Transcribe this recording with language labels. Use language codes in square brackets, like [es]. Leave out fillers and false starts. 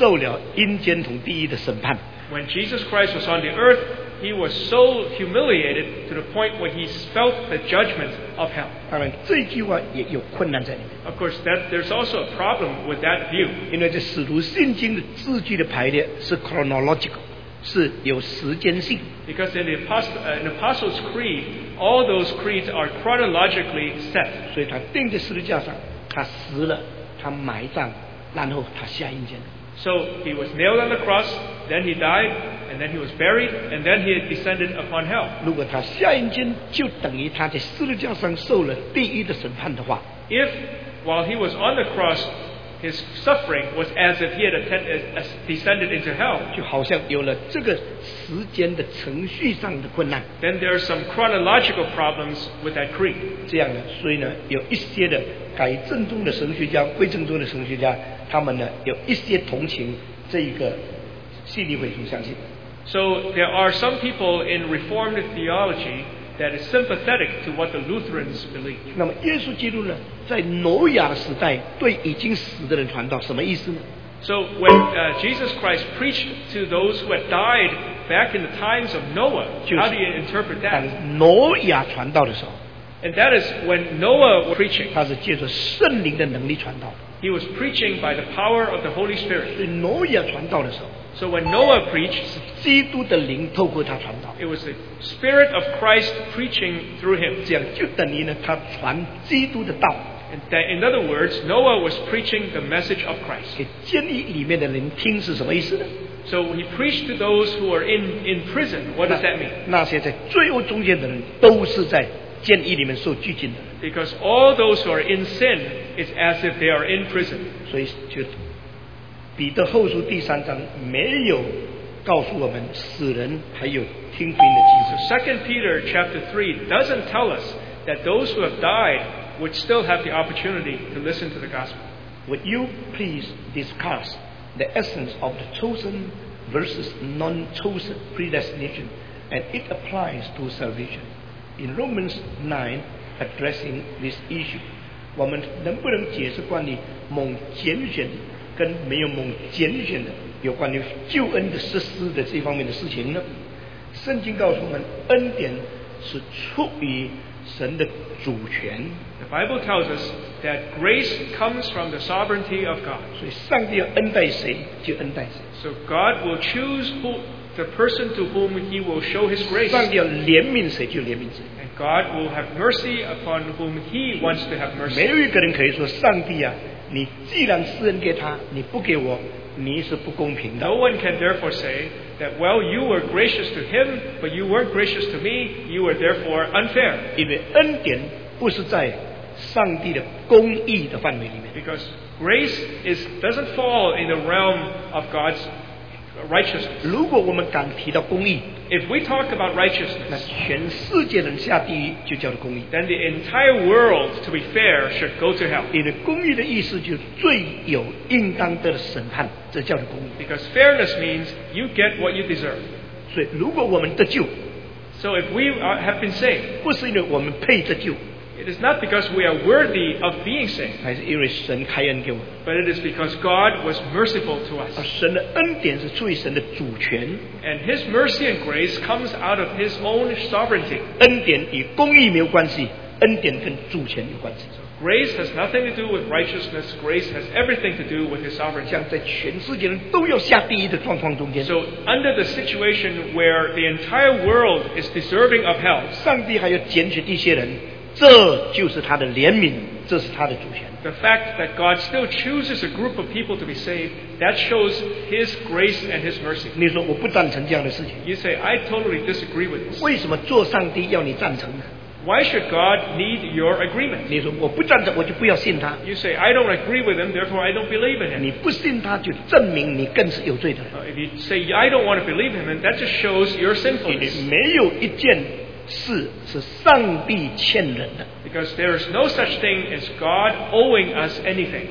[zh] 基督在十字架上降卑到受了阴间同地狱的审判。 [en] When Jesus Christ was on the earth, he was so humiliated to the point where he felt the judgment of hell. [zh] 当然这句话也有困难在里面。 [en] Of course, there's also a problem with that view. [zh] 因为这使徒信经的字句的排列是 chronological, 是有时间性。 [en] Because in the Apostles' Creed, all those creeds are chronologically set. [zh] 所以他钉在十字架上，他死了，他埋葬，然后他下阴间。 [en] So he was nailed on the cross, then he died, and then he was buried, and then he descended upon hell. [zh] 如果他下阴间，就等于他在十字架上受了地狱的审判的话。 [en] If while he was on the cross, his suffering was as if he had descended into hell. [zh] 就好像有了这个时间的程序上的困难。 [en] Then there are some chronological problems with that creed. [zh] 这样呢，所以呢，有一些的改正宗的神学家、归正宗的神学家。他们呢有一些同情这一个信利会所相信。 [en] So there are some people in Reformed theology that is sympathetic to what the Lutherans believe. [zh] 那么耶稣基督呢，在挪亚的时代对已经死的人传道，什么意思呢 [en] ？So when Jesus Christ preached to those who had died back in the times of Noah, how do you interpret that? [zh] 当挪亚传道的时候 [en] ，And that is when Noah was preaching. [zh] 他是借着圣灵的能力传道。 [en] He was preaching by the power of the Holy Spirit. [zh] 所以挪亚传道的时候 [en] ，So when Noah preached, [zh] 是基督的灵透过他传道。 [en] It was the Spirit of Christ preaching through him. [zh] 这样就等于呢，他传基督的道。 [en] And that, in other words, Noah was preaching the message of Christ. [zh] 给监狱里面的人听是什么意思呢 [en] ？So when he preached to those who are in prison, what does that mean? [zh] 那些在罪恶中间的人都是在监狱里面受拘禁的。 [en] Because all those who are in sin is as if they are in prison. [zh] 所以就彼得后书第三章没有告诉我们死人还有听福音的机会。 [en] So 2 Peter chapter 3 doesn't tell us that those who have died would still have the opportunity to listen to the gospel. Would you please discuss the essence of the chosen versus non-chosen predestination and it applies to salvation. In Romans 9, addressing this issue, [zh] 我们能不能解释关于蒙拣选跟没有蒙拣选的有关于救恩的实施的这方面的事情呢？圣经告诉我们，恩典是出于神的主权。 [en] The Bible tells us that grace comes from the sovereignty of God. [zh] 所以上帝要恩待谁就恩待谁。 [en] So God will choose who the person to whom He will show His grace. [zh] 上帝要怜悯谁就怜悯谁。 [en] God will have mercy upon whom He wants to have mercy. [zh] 没有一个人可以说上帝啊，你既然施恩给他，你不给我，你是不公平的。 [en] No one can therefore say that, well, you were gracious to him, but you weren't gracious to me. You were therefore unfair. [zh] 因为恩典不是在上帝的公义的范围里面。 [en] Because grace is doesn't fall in the realm of God's righteousness. [zh] 如果我们敢提到公义。 [en] If we talk about righteousness, [zh] 那全世界人下地狱就叫做公义。 [en] Then the entire world, to be fair, should go to hell. [zh] 因为公义的意思就是罪有应当得的审判，这叫做公义。 [en] Because fairness means you get what you deserve. [zh] 所以如果我们得救 [en] ，So if we have been saved, [zh] 不是因为我们配得救。 [en] It is not because we are worthy of being saved. [zh] 还是因为神开恩给我们。 [en] But it is because God was merciful to us. [zh] 而神的恩典是出于神的主权。 [en] And His mercy and grace comes out of His own sovereignty. [zh] 恩典与公义没有关系，恩典跟主权有关系。 [en] Grace has nothing to do with righteousness. Grace has everything to do with His sovereignty. [zh] 像在全世界人都要下地狱的状况中间。 [en] So under the situation where the entire world is deserving of hell, [zh] 上帝还要拣选一些人。这就是他的怜悯，这是他的主权。 [en] The fact that God still chooses a group of people to be saved, that shows His grace and His mercy. [zh] 你说我不赞成这样的事情。 [en] You say I totally disagree with this. [zh] 为什么做上帝要你赞成呢 [en] ？Why should God need your agreement? [zh] 你说我不赞成，我就不要信他。 [en] You say I don't agree with him, therefore I don't believe in him. [zh] 你不信他，就证明你更是有罪的。 [en] If you say I don't want to believe him, that just shows your sinfulness. [zh] 没有一件。是上帝欠人的。 [en] Because there is no such thing as God owing us anything.